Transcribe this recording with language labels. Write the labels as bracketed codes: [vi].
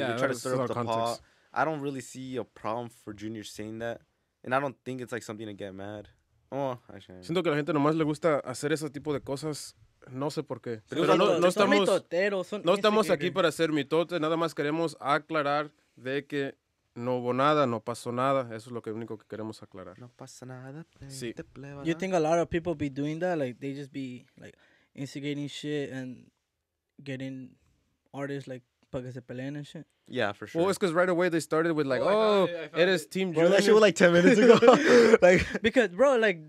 [en] Like, yeah, they try to stir up the pot. I don't really see a problem for Junior saying that. And I don't think it's, like, something to get mad. Oh, I shouldn't. [es] Siento que la gente nomás le gusta hacer ese tipo de cosas. No sé por qué. Pero no estamos aquí para hacer mitote. Nada más queremos aclarar de que no hubo nada, no pasó nada. Eso es lo que único que queremos aclarar. No pasa nada. Sí. [en] You think a lot of people be doing that? Like, they just be, like, instigating shit and... getting artists like [es] para se pelean [en] and shit. Yeah, for sure. Well, it's because right away they started with like, it is Team Junior. Bro, that shit was like 10 minutes ago. Like, because, bro, like,